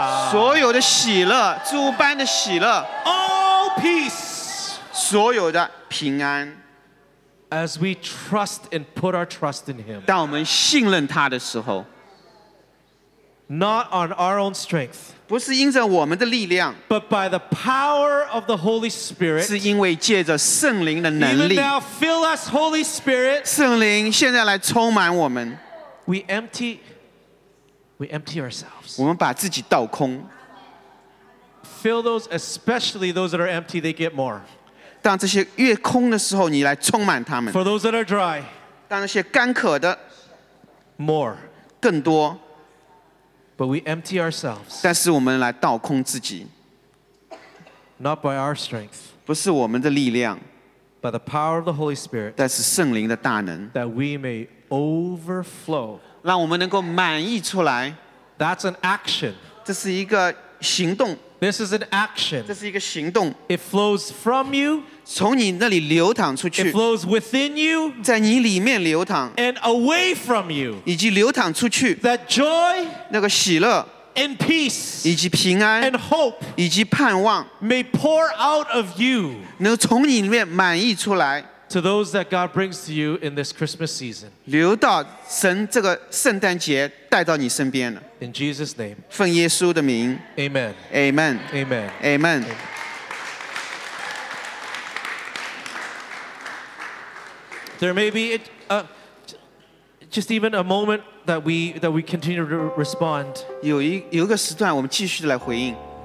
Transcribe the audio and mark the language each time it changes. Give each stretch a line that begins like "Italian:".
Chinese: 所有的喜乐，诸般的喜乐
English: All peace.
Chinese: 所有的平安
English: As we trust and put our trust in him.
Chinese: 当我们信任他的时候
English: Not on our own strength.
Chinese: 不是因着我们的力量
English: but by the power of the Holy Spirit,
Chinese: 是因为借着圣灵的能力
English: Even now, fill us, Holy Spirit,
Chinese: 圣灵现在来充满我们
English: we empty ourselves
Chinese: 我们把自己倒空
English: fill those, especially those that are empty, they get more
Chinese: 当这些越空的时候你来充满他们
English: for those that are dry
Chinese: 当那些干渴的
English: more
Chinese: 更多
English: But we empty ourselves.
Chinese: 但是我们来倒空自己。
English: Not by our strength.
Chinese: 不是我们的力量。
English: By the power of the Holy Spirit.
Chinese: 但是圣灵的大能。
English: That we may overflow.
Chinese: 让我们能够满溢出来。
English: That's an action.
Chinese: 这是一个行动。
English: This is an action.
Chinese: 这是一个行动。
English: It flows from you.
Chinese: 从你那里流淌出去。
English: It flows within you.
Chinese: 在你里面流淌。
English: And away from you.
Chinese: 以及流淌出去。
English: That joy.
Chinese: 那个喜乐。
English: And peace.
Chinese: 以及平安。
English: And hope.
Chinese: 以及盼望。
English: May pour out of you.
Chinese: 能从你里面满溢出来。
English: To those that God brings to you in this Christmas season.
Chinese: 流到神这个圣诞节带到你身边了。
English: In Jesus' name.
Chinese: 奉耶稣的名。
English: Amen. Amen. Amen. Amen. There may be just even a moment that we continue to respond.
Chinese: 有一个时段我们继续来回应。